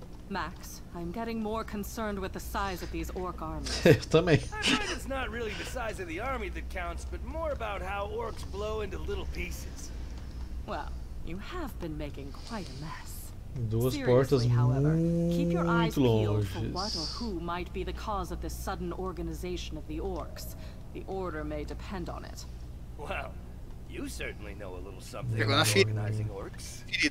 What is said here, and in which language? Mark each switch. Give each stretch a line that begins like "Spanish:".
English: Max, I'm getting more concerned with the size of these orc armies.
Portuguese: Eu também.
English: I heard it's not really the size of the army that counts, but more about how orcs blow into little pieces. Well, you have been making quite a mess.
Portuguese: Duas portas muito longe.
English: What or who might be the cause of this sudden organization of the orcs? The order may depend on it. Well, you certainly know a little something about organizing orcs.